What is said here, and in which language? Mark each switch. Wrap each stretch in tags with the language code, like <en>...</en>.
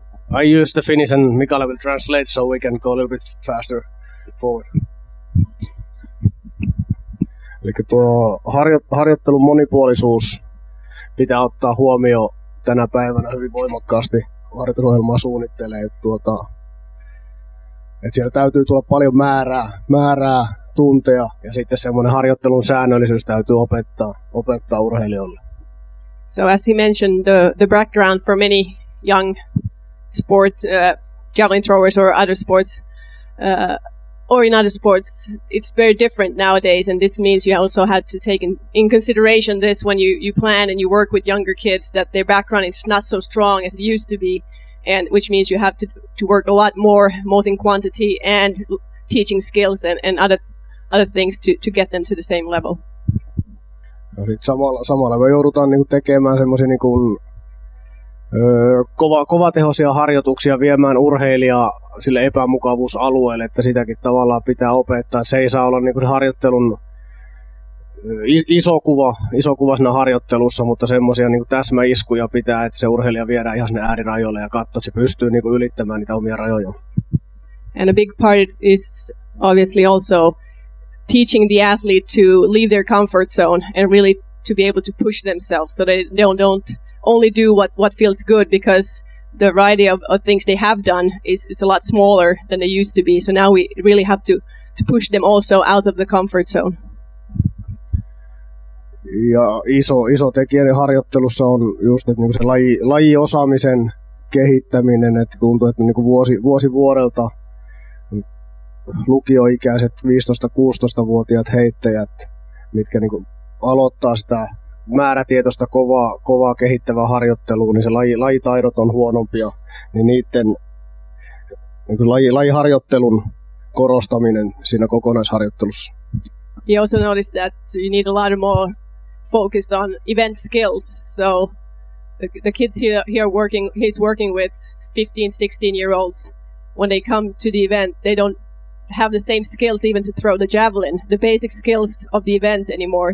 <en>I use the Finnish and Mikala will translate so we can go a little bit faster forward.</en> <fi>Eli tuo harjoittelun monipuolisuus pitää ottaa huomioon tänä päivänä hyvin voimakkaasti harjoitusohjelmaa suunnittelee. Et siellä täytyy tulla paljon määrää tunteja, ja sitten semmoinen harjoittelun säännöllisyys täytyy opettaa urheilijoille.</fi> <en>So as he mentioned, the background for many young sport javelin throwers or other sports or in other sports, it's very different nowadays, and this means you also have to take in consideration this when you plan and you work with younger kids, that their background is not so strong as it used to be, and which means you have to work a lot more, both in quantity and teaching skills and other things to get them to the same level.</en> <fi>Samalla me joudutaan niinku tekemään semmoisia niinku kovatehoisia harjoituksia, viemään urheilijaa sille epämukavuusalueelle, että sitäkin tavallaan pitää opettaa. Se ei saa olla niinku harjoittelun iso kuva siinä harjoittelussa, mutta semmoisia niinku täsmäiskuja pitää, että se urheilija viedään ihan sinne äärirajoille ja katsoa, että se pystyy niinku ylittämään niitä omia rajoja.</fi> <en>And a big part is obviously also teaching the athlete to leave their comfort zone and really to be able to push themselves so they don't only do what feels good, because the variety of things they have done is a lot smaller than they used to be. So now we really have to push them also out of the comfort zone.</en> <fi>Ja iso tekijä harjoittelussa on just, että niinku se lajiosaamisen kehittäminen, että tuntuu, että niinku vuosi vuodelta lukioikäiset 15-16-vuotiaat heittäjät, mitkä niinku aloittaa sitä määrätietoista kovaa kehittävää harjoittelua, niin se lajitaidot on huonompia, niin niiden niin lajiharjoittelun korostaminen siinä kokonaisharjoittelussa.</fi> <en>He also noticed that you need a lot more focus on event skills. So the kids here working, he's working with 15, 16 year olds. When they come to the event, they don't have the same skills even to throw the javelin, the basic skills of the event anymore.</en>